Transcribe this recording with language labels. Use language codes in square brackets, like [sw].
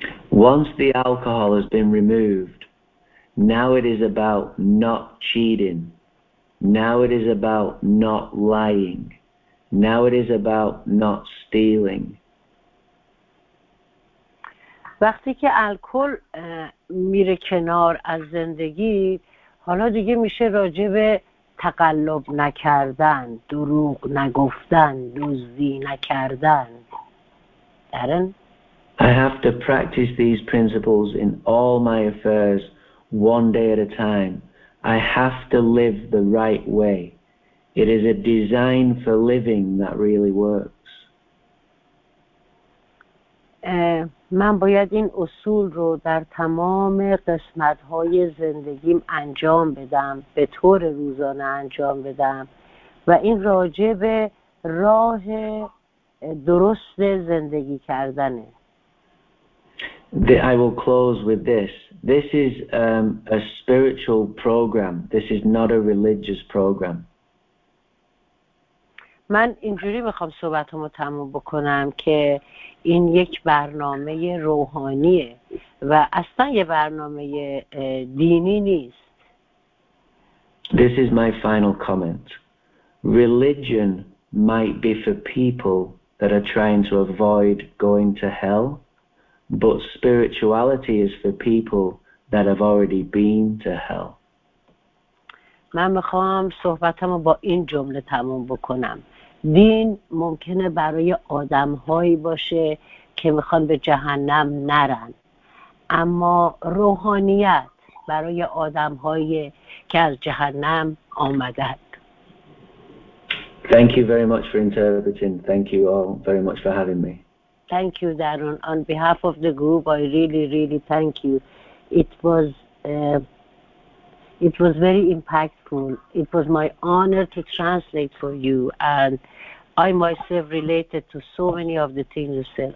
[en] Once the alcohol has been removed, now it is about not cheating. Now it is about not lying. Now it is about not stealing. [fa] وقتی که الکل میره کنار از زندگی، حالا دیگه میشه راجع به تقلب نکردن، دروغ نگفتن، دزدی نکردن. درن؟ [en] I have to practice these principles in all my affairs one day at a time. I have to live the right way. It is a design for living that really works. [fa] من باید این اصول رو در تمام قسمت‌های زندگیم انجام بدم، به طور روزانه انجام بدم و این راجع به راه درست زندگی کردنه. [en] I will close with this. This is a spiritual program. This is not a religious program. [fa] من اینجوری میخوام صحبتمو تموم بکنم که این یک برنامه روحانیه و اصلا یه برنامه دینی نیست. [en] This is my final comment. Religion might be for people that are trying to avoid going to hell. But spirituality is for people that have already been to hell. [fa] من میخوام صحبتمو با این جمله تموم بکنم. دین ممکنه برای آدمهایی باشه که میخوان به جهنم نرن، اما روحانیت برای آدمهایی که از جهنم آمدند. [en] Thank you very much for interpreting. Thank you all very much for having me. Thank you, Darren. On behalf of the group, I really, really thank you. It was very impactful. It was my honor to translate for you, and I myself related to so many of the things you said.